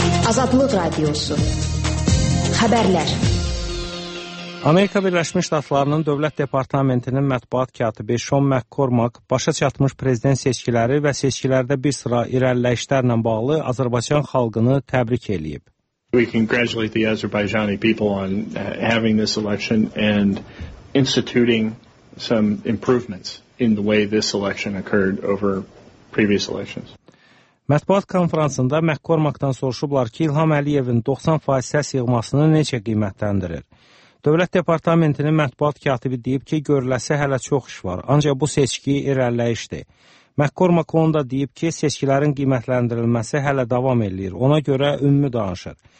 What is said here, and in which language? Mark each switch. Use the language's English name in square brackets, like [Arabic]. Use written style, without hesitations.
[Azerbaijani] Azadlıq Radiosu. Xəbərlər. Amerika Birləşmiş Ştatlarının Dövlət Departamentinin mətbuat katibi Sean McCormack başa çatmış prezident seçkiləri və seçkilərdə bir sıra irəliləyişlərlə bağlı Azərbaycan xalqını təbrik eləyib. [English] We congratulate the Azerbaijani people on having this election and instituting some improvements in the way this election occurred over previous elections. [Azerbaijani] Mətbuat konfransında McCormack-dan soruşublar ki, İlham Əliyevin 90% səs yığmasını necə qiymətləndirir? Dövlət Departamentinin mətbuat katibi deyib ki, görüləsi hələ çox iş var, ancaq bu seçki irəliləyişdir. McCormack onu da deyib ki, seçkilərin qiymətləndirilməsi hələ davam edir, ona görə ümmi danışır.